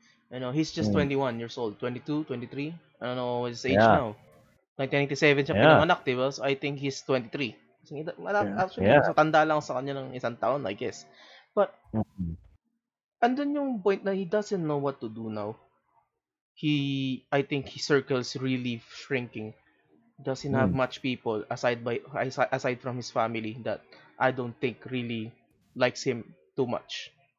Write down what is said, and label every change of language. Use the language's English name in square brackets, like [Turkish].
[English] You know, he's just 21 years old. 22, 23. I don't know what his age now. 1997 [Filipino] siya pinanganak, diba? [English] So I think he's 23. [Filipino] So tanda lang sa kanya ng isang taon, I guess. [English] But, [Filipino] andun yung point na [English] he doesn't know what to do now. I think his circle's really shrinking. Doesn't have much people aside from his family that I don't think really likes him too much.